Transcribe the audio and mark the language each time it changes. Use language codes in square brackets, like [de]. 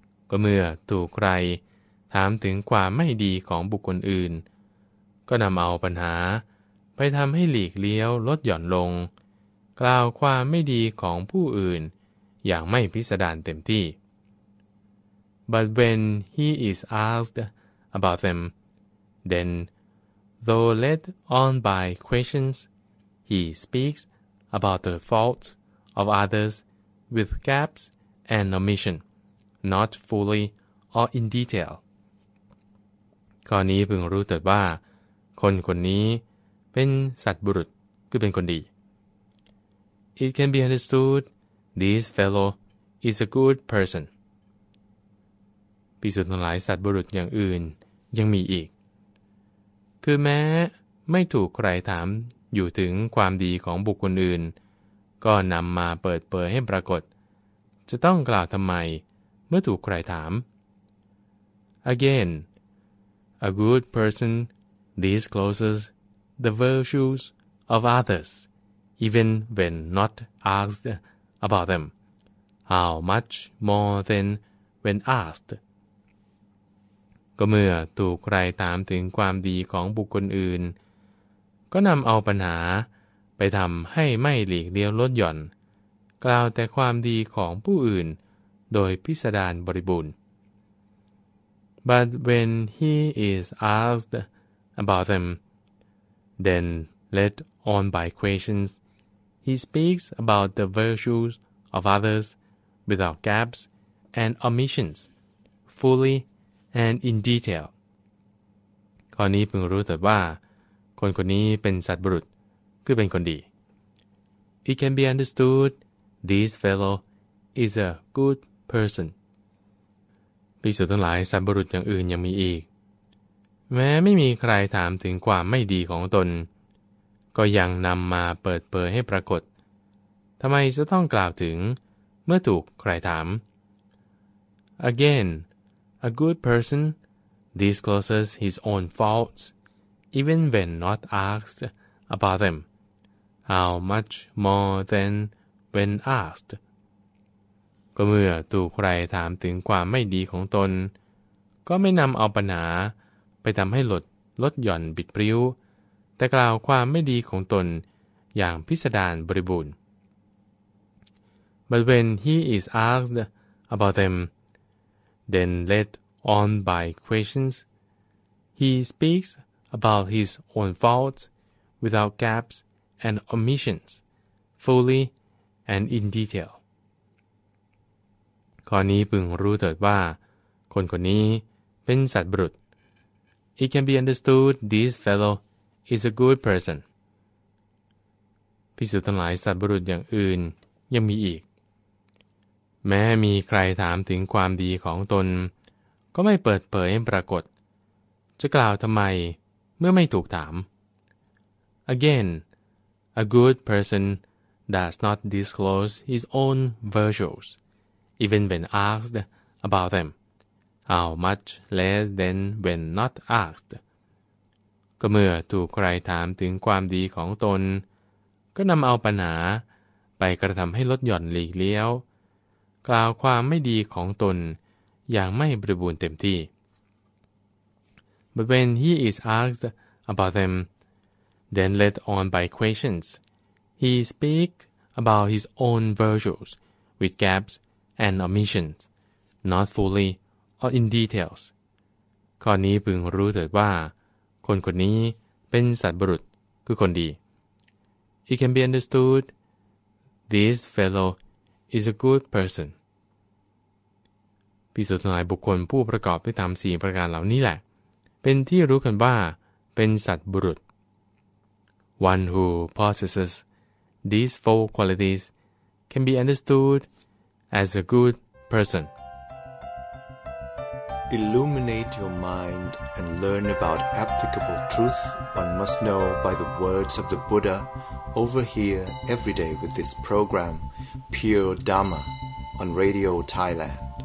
[th] ก็เมื่อถูกใครถามถึงความไม่ดีของบุคคลอื่นก็นำเอาปัญหาไปทำให้หลีกเลี้ยวลดหย่อนลงกล่าวความไม่ดีของผู้อื่นอย่างไม่พิสดารเต็มที่ [en] But when he is asked about them, then, though led on by questions, he speaks about the faults. Of others, with gaps and omission, not fully or in detail. [th] ข้อนี้พึงรู้เถิดว่าคนคนนี้เป็นสัตบุรุษคือเป็นคนดี [en] It can be understood this fellow is a good person. [th] ภิกษุทั้งหลายสัตบุรุษอย่างอื่นยังมีอีกคือแม้ไม่ถูกใครถามอยู่ถึงความดีของบุคคลอื่นก็นำมาเปิดเผยให้ปรากฏจะต้องกล่าวทำไมเมื่อถูกใครถาม [en] Again, a good person discloses the virtues of others even when not asked about them. How much more than when asked? [th] ก็เมื่อถูกใครถามถึงความดีของบุคคลอื่นก็นำเอาปัญหาไปทำให้ไม่หลีกเลี่ยงลดหย่อนกล่าวแต่ความดีของผู้อื่นโดยพิสดารบริบูรณ์ [en] But when he is asked about them, Then, led on by questions, he speaks about the virtues of others without gaps and omissions, fully and in detail. [th] ตอนนี้เพิ่งรู้แต่ว่าคนคนนี้เป็นสัตว์บุรุษคือเป็นคนดี [en] It can be understood this fellow is a good person. [th] ภิกษุทั้งหลายสัตว์บุรุษอย่างอื่นยังมีอีกแม้ไม่มีใครถามถึงความไม่ดีของตนก็ยังนำมาเปิดเผยให้ปรากฏทำไมจะต้องกล่าวถึงเมื่อถูกใครถาม [en] Again, a good persondiscloses his own faults, even when not asked about them. How much more than when asked? [th] ก็เมื่อถูกใครถามถึงความไม่ดีของตนก็ไม่นำเอาปัญหาไปทำให้ลดหย่อนบิดพริ้วแต่กล่าวความไม่ดีของตนอย่างพิสดารบริบูรณ์ [en] But when he is asked about them, then let on by questions, he speaks about his own faults without gaps and omissions, fully and in detail. [th] ข้อนี้พึงรู้เถิดว่าคนคนนี้เป็นสัตว์บุรุษ [en] It can be understood this fellow is a good person. [th] ภิกษุทั้งหลายสัตว์บุรุษอย่างอื่นยังมีอีกแม้มีใครถามถึงความดีของตนก็ไม่เปิดเผยให้ปรากฏจะกล่าวทำไมเมื่อไม่ถูกถาม [en] Again, a good person does not disclose his own virtues, even when asked about them, how much less than when not asked. [th] ก็เมื่อถูกใครถามถึงความดีของตนก็นำเอาปัญหาไปกระทำให้ลดหย่อนหลีกเลี้ยวกล่าวความไม่ดีของตนอย่างไม่บริบูรณ์เต็มที่ [en] But when he is asked about them, then led on by questions, he speaks about his own virtues with gaps and omissions, not fully or in details. [th] ข้อนี้พึงรู้เถิดว่าคนคนนี้เป็นสัตว์บุรุษคือคนดี [en] It can be understood this fellow is a good person. [th] ภิกษุทั้งหลายบุคคลผู้ประกอบด้วยธรรม4ประการเหล่านี้แหละเป็นที่รู้กันว่าเป็นสัตบุรุษ [en] One who possesses these four qualities can be understood as a good person. Illuminate your mind and learn about applicable truth one must know by the words of the Buddha over here every day with this program Pure Dharma on Radio Thailand.